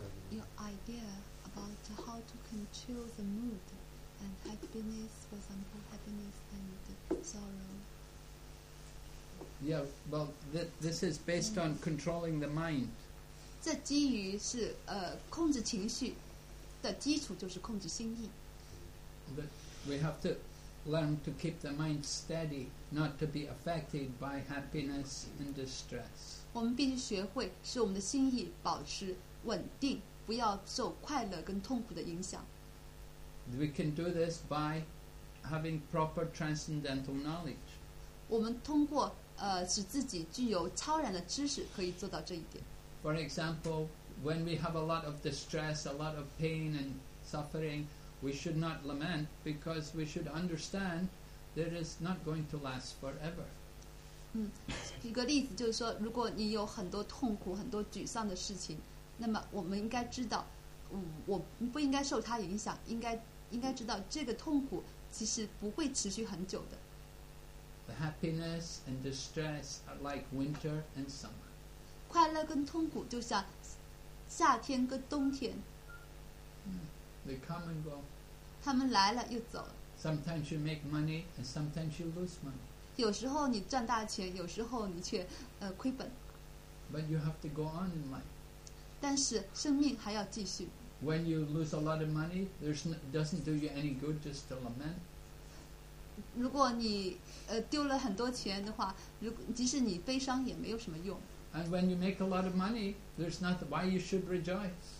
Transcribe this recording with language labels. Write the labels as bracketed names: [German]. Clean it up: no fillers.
[English] Your idea about how to control the mood and happiness, for example, happiness and sorrow. Yeah, well, this is based on controlling the mind. [Chinese] 这基于是控制情绪的基础就是控制心意。 [English] But we have to. Learn to keep the mind steady, not to be affected by happiness and distress. [Chinese] 我们必须学会使我们的心意保持稳定，不要受快乐跟痛苦的影响。 [English] We can do this by having proper transcendental knowledge. [Chinese] 我们通过使自己具有超然的知识，可以做到这一点。 [English] For example, when we have a lot of distress, a lot of pain and suffering. We should not lament because we should understand that it is not going to last forever. [Chinese] 一个例子就是说，如果你有很多痛苦、很多沮丧的事情，那么我们应该知道，我不应该受它影响，应该知道这个痛苦其实不会持续很久的。 [English] The happiness and distress are like winter and summer. [Chinese] 快乐跟痛苦就像夏天跟冬天。 [English] They come and go. [Chinese] 他们来了又走了。 [English] Sometimes you make money and sometimes you lose money. [Chinese] 有时候你赚大钱，有时候你却亏本。 [English] But you have to go on in life. [Chinese] 但是生命还要继续。 [English] When you lose a lot of money, there's doesn't do you any good just to lament. [Chinese] 如果你丢了很多钱的话，如果即使你悲伤也没有什么用。 [English] And when you make a lot of money, there's not why you should rejoice.